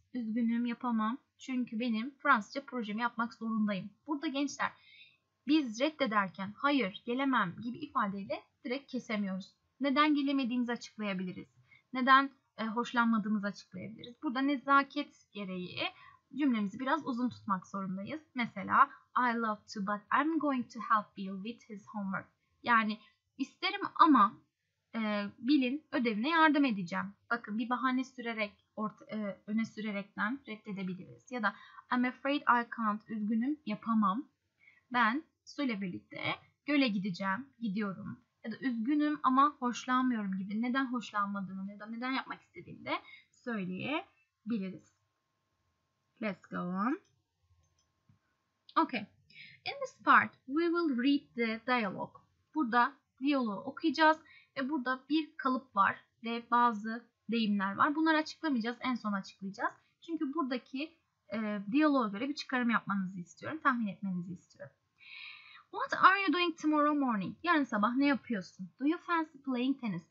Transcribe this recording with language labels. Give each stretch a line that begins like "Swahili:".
Turkish: Üzgünüm, yapamam. Çünkü benim Fransızca projemi yapmak zorundayım. Burada gençler biz reddederken hayır, gelemem gibi ifadeyle direkt kesemiyoruz. Neden gelemediğimizi açıklayabiliriz. Neden hoşlanmadığımızı açıklayabiliriz. Burada nezaket gereği cümlemizi biraz uzun tutmak zorundayız.
English: Mesela I love to but I'm going to help Bill with his homework.
Turkish: Yani isterim ama Bill'in ödevine yardım edeceğim. Bakın bir bahane sürerek, öne sürerekten reddedebiliriz. Ya da
English: I'm afraid I can't,
Turkish: üzgünüm, yapamam. Ben Sue'yle birlikte göle gideceğim, gidiyorum. Ya da üzgünüm ama hoşlanmıyorum gibi neden hoşlanmadığını ya da neden yapmak istediğini de söyleyebiliriz.
English: Let's go on. Okay, in this part we will read the dialogue.
Turkish: Burada diyaloğu okuyacağız ve burada bir kalıp var ve bazı deyimler var. Bunları açıklamayacağız, en son açıklayacağız. Çünkü buradaki diyaloğa göre bir çıkarım yapmanızı istiyorum, tahmin etmenizi istiyorum.
English: What are you doing tomorrow morning?
Turkish: Yarın sabah ne yapıyorsun?
English: Do you fancy playing tennis?